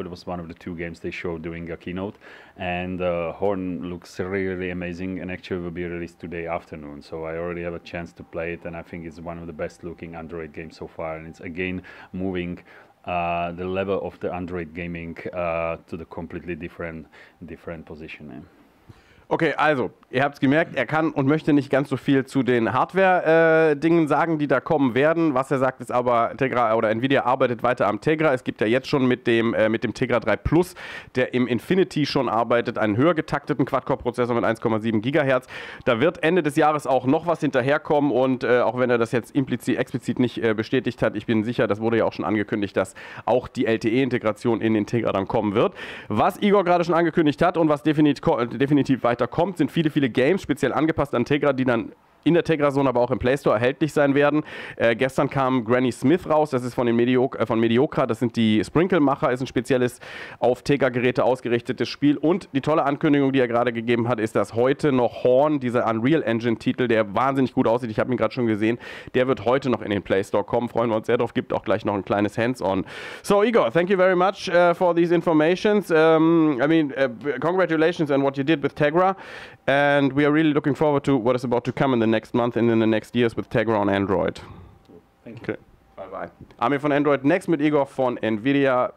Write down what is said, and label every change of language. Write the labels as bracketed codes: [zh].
[en] It was one of the two games they showed during a keynote. And Horn looks really, really amazing and actually will be released today afternoon. So I already have a chance to play it. And I think it's one of the best looking Android games so far. And it's again moving the level of the Android gaming to the completely different position. [de] Okay, also, ihr habt es gemerkt, er kann und möchte nicht ganz so viel zu den Hardware-Dingen sagen, die da kommen werden. Was er sagt, ist aber, Tegra oder Nvidia arbeitet weiter am Tegra. Es gibt ja jetzt schon mit dem Tegra 3 Plus, der im Infinity schon arbeitet, einen höher getakteten Quad-Core-Prozessor mit 1,7 GHz. Da wird Ende des Jahres auch noch was hinterherkommen und auch wenn er das jetzt explizit nicht bestätigt hat, ich bin sicher, das wurde ja auch schon angekündigt, dass auch die LTE-Integration in den Tegra dann kommen wird. Was Igor gerade schon angekündigt hat und was definitiv weiter kommt, sind viele, viele Games, speziell angepasst an Tegra, die dann in der Tegra-Zone, aber auch im Play Store erhältlich sein werden. Gestern kam Granny Smith raus, das ist von Mediocre, das sind die Sprinkle-Macher, ist ein spezielles auf Tegra-Geräte ausgerichtetes Spiel. Und die tolle Ankündigung, die er gerade gegeben hat, ist, dass heute noch Horn, dieser Unreal Engine-Titel, der wahnsinnig gut aussieht, ich habe ihn gerade schon gesehen, der wird heute noch in den Play Store kommen. Freuen wir uns sehr drauf, gibt auch gleich noch ein kleines Hands-on. [en] So, Igor, thank you very much for these informations. Congratulations on what you did with Tegra. And we are really looking forward to what is about to come in the next month and in the next years with Tegra on Android. Thank you. Okay. Bye bye. [de] Ami von Android Next mit Igor von Nvidia.